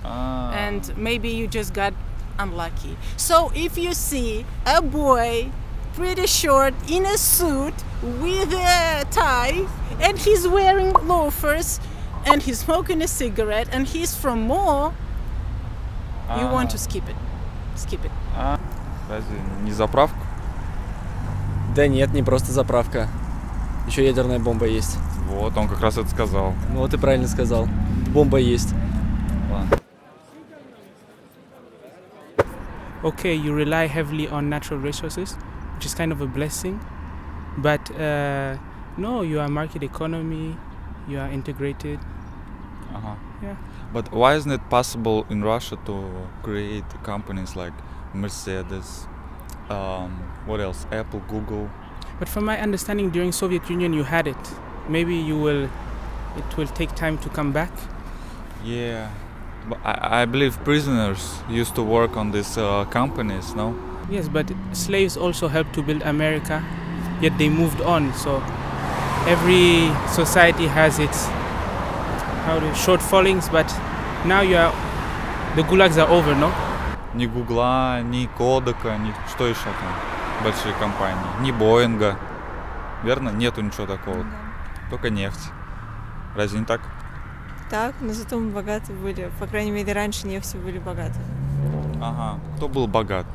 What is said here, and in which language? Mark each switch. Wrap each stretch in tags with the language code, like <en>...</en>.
<en>And maybe you just got unlucky. So if you see a boy, pretty short, in a suit with a tie, and he's wearing loafers, and he's smoking a cigarette, and he's from Moa, you want to skip it.</en> <ru>Разве не заправка? Да нет, не просто заправка. Еще ядерная бомба есть. Вот, он как раз это сказал. Ну вот и правильно сказал. Бомба есть. Ладно.</ru> <en>Okay, you rely heavily on natural resources, which is kind of a blessing. But no, you are market economy, you are integrated. Yeah. But why isn't it possible in Russia to create companies like Mercedes, what else, Apple, Google? But from my understanding, during Soviet Union you had it. Maybe it will take time to come back. Yeah, but I believe prisoners used to work on these companies, no? Yes, but slaves also helped to build America, yet they moved on, so every society has its shortfallings, but now you are, the gulags are over, no?</en> <ru>Ни Гугла, ни Кодека, ни что еще там, большие компании, ни Боинга, верно? Нету ничего такого, только нефть. Разве не так? Так, но зато мы богаты были, по крайней мере, раньше нефтью были богаты. Ага, кто был богат?</ru>